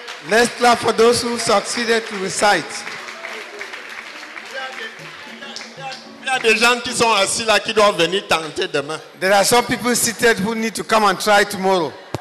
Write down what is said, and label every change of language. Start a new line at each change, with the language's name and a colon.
English: Let's clap for those who succeeded to recite.
French: Il y a des gens qui sont assis là qui doivent venir tenter demain.
English: There are some people seated who need to come and try tomorrow.